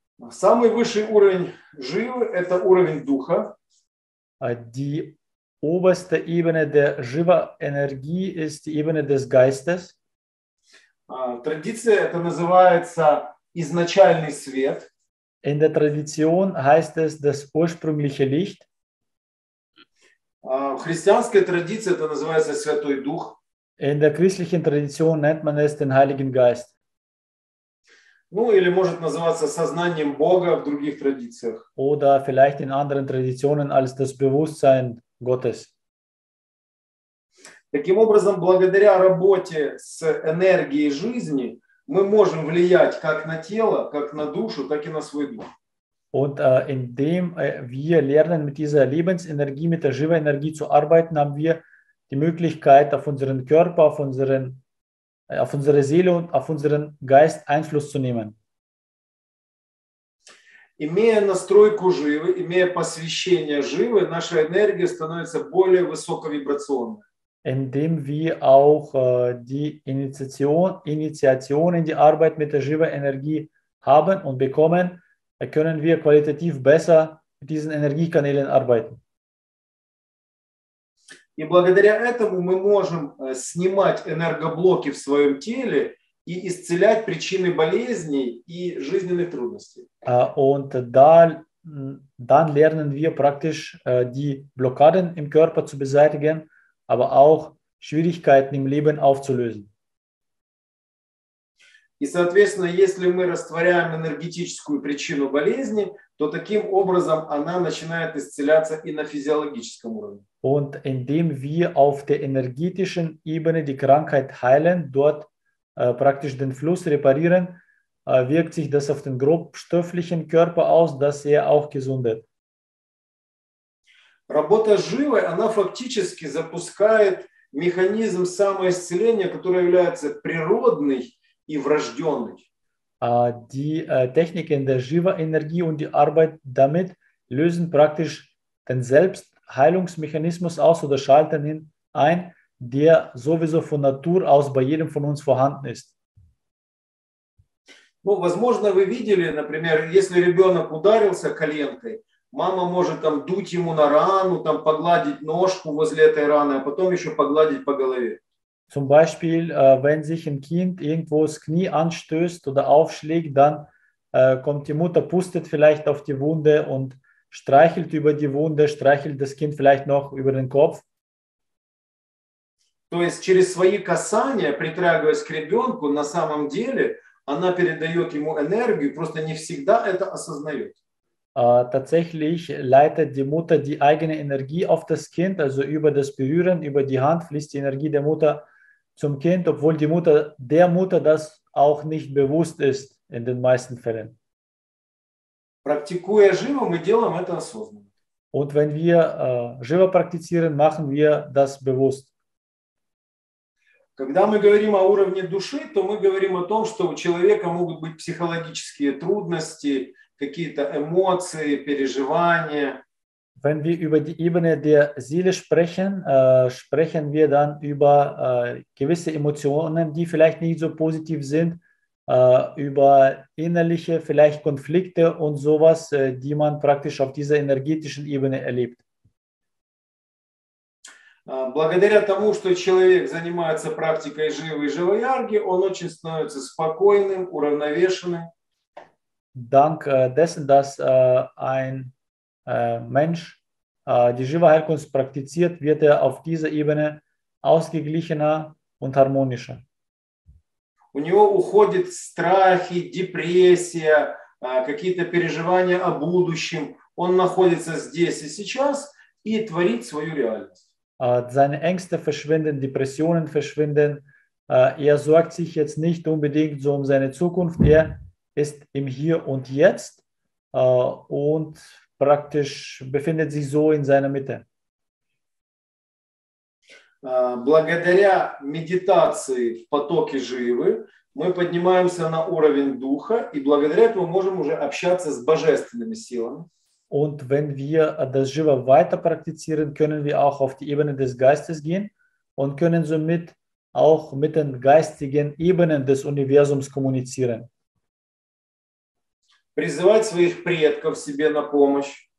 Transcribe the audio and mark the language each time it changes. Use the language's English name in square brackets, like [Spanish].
[Russian] Самый высший уровень живы – это уровень духа. [German] Die oberste Ebene der Jiva-Energie ist die Ebene des Geistes. [Russian] Традиция – это называется изначальный свет. [German] In der Tradition heißt es das ursprüngliche Licht. [Russian] В христианской традиции это называется Святой Дух. [German] In der christlichen Tradition nennt man es den Heiligen Geist. [Russian] Ну, или может называться сознанием Бога в других традициях. [German] Oder vielleicht in anderen Traditionen als das Bewusstsein Gottes. [Russian] Таким образом, благодаря работе с энергией жизни, мы можем влиять как на тело, как на душу, так и на свой дух. [German] Und indem wir lernen, mit dieser Lebensenergie, mit der Jiva-Energie zu arbeiten, haben wir die Möglichkeit, auf unseren Körper, auf unsere Seele und auf unseren Geist Einfluss zu nehmen. [Russian] Имея настройку живы, имея посвящение живы, наша энергия становится более высоковибрационной. [German] Indem wir auch die Initiation in die Arbeit mit der Jiva-Energie haben und bekommen, können wir qualitativ besser mit diesen Energiekanälen arbeiten. [Russian] И благодаря этому мы можем снимать энергоблоки в своем теле и исцелять причины болезней и жизненных трудностей. [German] Und da, dann lernen wir praktisch die Blockaden im Körper zu beseitigen, aber auch Schwierigkeiten im Leben aufzulösen. [Russian] И, соответственно, если мы растворяем энергетическую причину болезни, то таким образом она начинает исцеляться и на физиологическом уровне. [German] Und indem wir auf der energetischen Ebene die Krankheit heilen, dort praktisch den Fluss reparieren, wirkt sich das auf den grobstofflichen Körper aus, dass er auch gesund wird. [Russian] Работа живой, она фактически запускает механизм самоисцеления, который является природный и врожденный. [German] Techniken der Shiva-Energie und die Arbeit damit lösen praktisch den Selbstheilungsmechanismus aus oder schalten ihn ein, der sowieso von Natur aus bei jedem von uns vorhanden ist. [Russian] Ну, возможно, вы видели, например, если ребенок ударился коленкой, мама может там дуть ему на рану, там погладить ножку возле этой раны, а потом еще погладить по голове. [German] Zum Beispiel, wenn sich ein Kind irgendwo das Knie anstößt oder aufschlägt, dann kommt die Mutter, pustet vielleicht auf die Wunde und streichelt über die Wunde, streichelt das Kind vielleicht noch über den Kopf. [Russian] То есть через свои касания, притрагиваясь к ребенку, на самом деле она передает ему энергию, просто не всегда это осознает. [German] Tatsächlich leitet die Mutter die eigene Energie auf das Kind, also über das Berühren, über die Hand fließt die Energie der Mutter zum Kind, obwohl die Mutter, der Mutter das auch nicht bewusst ist in den meisten Fällen. [Russian] Практикуя живо, мы делаем это осознанно. [German] Und wenn wir живо praktizieren, machen wir das bewusst. [Russian] Когда мы говорим о уровне души, то мы говорим о том, что у человека могут быть психологические трудности, какие-то эмоции, переживания. [German] Wenn wir über die Ebene der Seele sprechen, sprechen wir dann über gewisse Emotionen, die vielleicht nicht so positiv sind, über innerliche vielleicht Konflikte und sowas, die man praktisch auf dieser energetischen Ebene erlebt. [Russian] Благодаря тому, что человек занимается практикой живой Шиваярги, он очень становится спокойным, уравновешенным. [German] Dank dessen, dass ein Mensch, die Shiva-Heilkunst praktiziert, wird er auf dieser Ebene ausgeglichener und harmonischer. [Russian] У него уходят страхи, депрессия, какие-то переживания о будущем. Он находится здесь и сейчас и творит свою реальность. [German] Seine Ängste verschwinden, Depressionen verschwinden. Er sorgt sich jetzt nicht unbedingt so um seine Zukunft. Er ist im Hier und Jetzt und praktisch befindet sich so in seiner Mitte. [Russian] Благодаря медитации в потоке живы мы поднимаемся на уровень духа и благодаря этому можем уже общаться с божественными силами. [German] Und wenn wir das Shiva weiter praktizieren, können wir auch auf die Ebene des Geistes gehen und können somit auch mit den geistigen Ebenen des Universums kommunizieren. [Russian] Призывать своих предков себе на помощь.